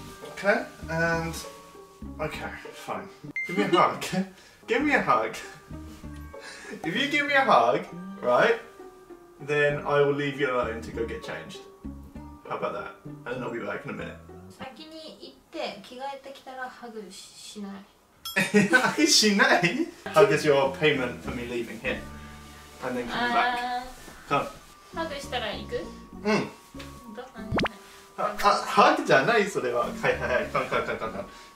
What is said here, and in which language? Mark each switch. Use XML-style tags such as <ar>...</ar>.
<en>Okay, and. Okay, fine. Give me a hug. Give me a hug. If you give me a hug, right, then I will leave you alone to go get changed. How about that? And then I'll be back in a minute.</en> <ja>先に行って着替えてきたらハグしない。しない？</ja> <en>How is your payment for me leaving here? And then coming back. Come.</en> <ja>ハグしたら行く？うん。どうなんじゃない？ハグじゃないそれは。はいはいはい。カンカンカンカンカン。</ja>